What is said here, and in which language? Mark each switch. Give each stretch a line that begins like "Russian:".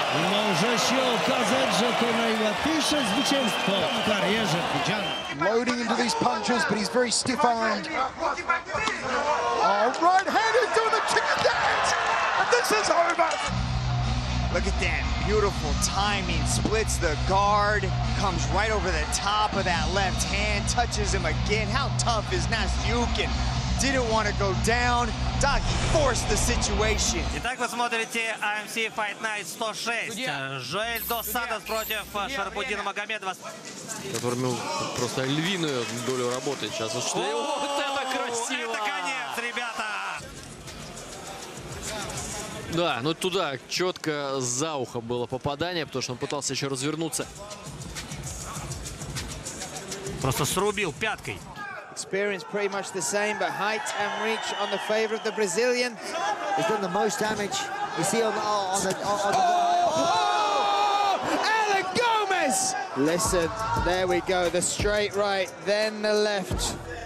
English: Może się okazać, że to najłatwiejsze zwycięstwo w karierze widziane. Loading into these punches, but he's very stiff-armed. Oh, right-handed doing the kick and dance! And this is over! Look at that. Beautiful timing. Splits the guard. Comes right over the top of that left hand. Touches him again. How tough is Nastyukin? Didn't want to go down. Doc forced the situation.
Russian: Итак, вы смотрите AMC Fight Night 106. Жоэль Дос Сантос против Шарапутина Магомедова. Оформил просто львиную долю работы сейчас. Вот это красиво! Это конец, ребята! Да, ну туда четко за ухо было попадание, потому что он пытался еще развернуться. Просто срубил пяткой.
English: Experience pretty much the same, but height and reach on the favor of the Brazilian. He's done the most damage. You see on the... Oh! Listen, there we go. The straight right, then the left.